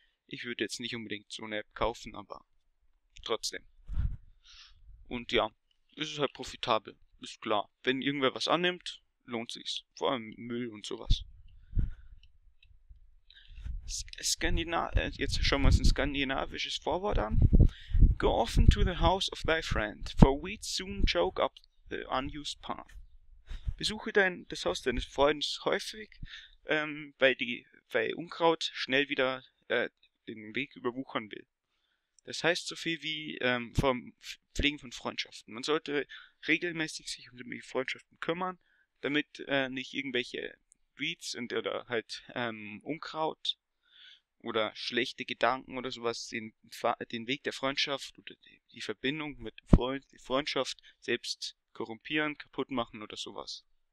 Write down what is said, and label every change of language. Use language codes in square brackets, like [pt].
[de] Ich würde jetzt nicht unbedingt so eine App kaufen, aber trotzdem. Und ja, es ist halt profitabel. Ist klar. Wenn irgendwer was annimmt, lohnt sich's. Vor allem Müll und sowas. Jetzt schauen wir uns ein skandinavisches Vorwort an. [en] Go often to the house of thy friend, for we'd soon choke up the unused path. [de] Besuche das Haus deines Freundes häufig, weil Unkraut schnell wieder den Weg überwuchern will. Das heißt so viel wie vom Pflegen von Freundschaften. Man sollte regelmäßig sich um die Freundschaften kümmern, damit nicht irgendwelche Weeds und oder halt Unkraut oder schlechte Gedanken oder sowas den Weg der Freundschaft oder die Verbindung mit dem Freund, die Freundschaft selbst korrumpieren, kaputt machen oder sowas.